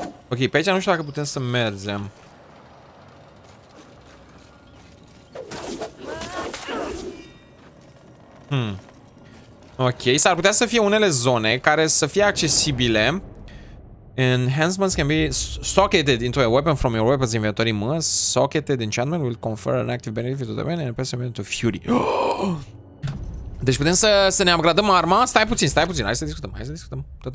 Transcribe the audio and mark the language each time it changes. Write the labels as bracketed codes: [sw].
[ro] Ok, pe aici nu știu dacă putem să mergem. Ok, s-ar putea să fie unele zone care să fie accesibile. [en] Enhancements can be socketed into a weapon from your weapon's inventory. Mă, socketed enchantment will confer an active benefit to the weapon and pass to fury. [ro] Deci putem să ne upgradăm arma. Stai puțin, hai să discutăm.